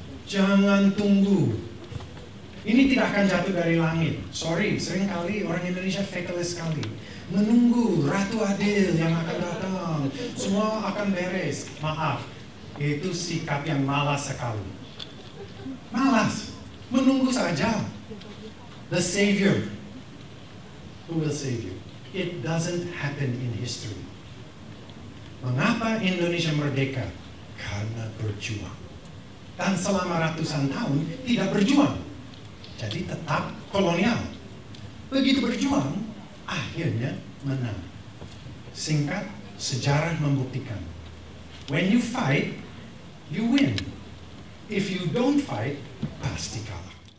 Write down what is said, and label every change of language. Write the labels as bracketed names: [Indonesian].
[Indonesian] Jangan tunggu. Ini tidak akan jatuh dari langit. Sorry, seringkali orang Indonesia fatalist sekali. Menunggu ratu adil yang akan datang, semua akan beres. Maaf, itu sikap yang malas sekali. Malas, menunggu saja. [English] The savior, who will save you? It doesn't happen in history. [Indonesian] Mengapa Indonesia merdeka? Karena berjuang. Dan selama ratusan tahun tidak berjuang, jadi tetap kolonial. Begitu berjuang, akhirnya menang. Singkat, sejarah membuktikan. [English] When you fight, you win. If you don't fight, [Indonesian] pasti kalah.